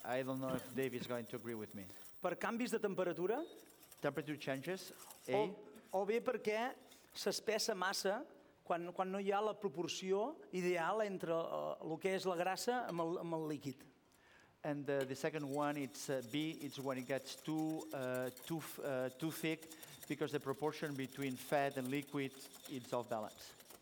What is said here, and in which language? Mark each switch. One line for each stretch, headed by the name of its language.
English: I don't know if Dave is going to agree with me.
Catalan: Per canvis de temperatura?
English: Temperature changes.
Catalan: O bé perquè s'espessa massa quan no hi ha la proporció ideal entre lo que és la grassa amb el líquid.
English: And the second one it's when it gets too thick because the proportion between fat and liquid is off balance.